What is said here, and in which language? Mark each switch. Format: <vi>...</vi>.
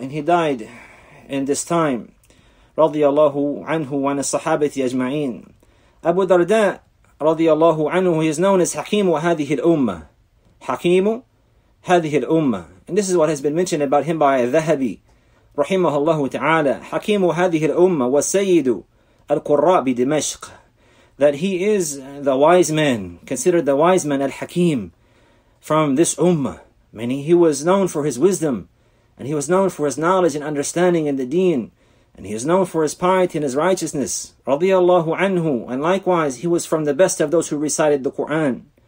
<en>And he died in this time, radiyallahu anhu wa as-sahabati ajma'in. Abu Darda, radiyallahu anhu, he is known as Hakim wa hadhihi al-Ummah.</en> <ar>حكيم هذه الأمة.</ar> <en>And this is what has been mentioned about him by الذهبي رحمه الله تعالى.</en> <ar>حكيم هذه الأمة وسيد القراء بدمشق.</ar> <en>That he is the wise man, considered the wise man al-Hakim from this Ummah. Meaning he was known for his wisdom, and he was known for his knowledge and understanding in the deen, and he is known for his piety and his righteousness. Radiallahu anhu. And likewise, he was from the best of those who recited the Quran.</en>